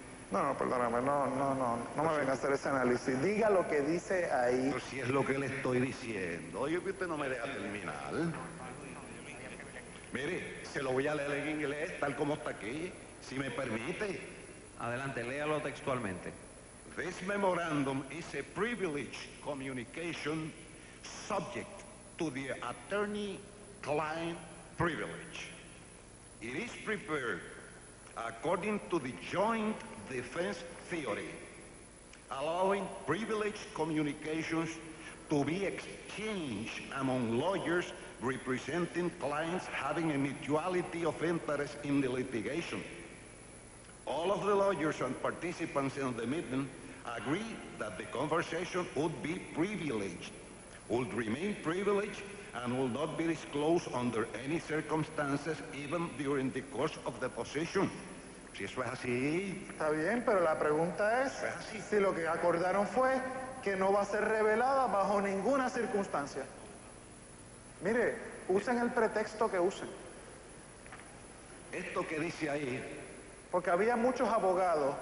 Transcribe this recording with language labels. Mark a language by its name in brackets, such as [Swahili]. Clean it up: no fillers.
[Spanish] No, perdóname, me venga a hacer ese análisis. Diga lo que dice ahí. Pero si es lo que le estoy diciendo, oye, que usted no me deja terminar. Mire, se lo voy a leer en inglés, tal como está aquí, si me permite. Adelante, léalo textualmente. [English] This memorandum is a privileged communication subject to the attorney-client privilege. It is prepared according to the joint defense theory, allowing privileged communications to be exchanged among lawyers representing clients having a mutuality of interest in the litigation. All of the lawyers and participants in the meeting agree that the conversation would be privileged, would remain privileged, and will not be disclosed under any circumstances, even during the course of the deposition. [Spanish] Si eso es así... Está bien, pero la pregunta es si lo que acordaron fue que no va a ser revelada bajo ninguna circunstancia. Mire, usen el pretexto que usen. Esto que dice ahí... Porque había muchos abogados.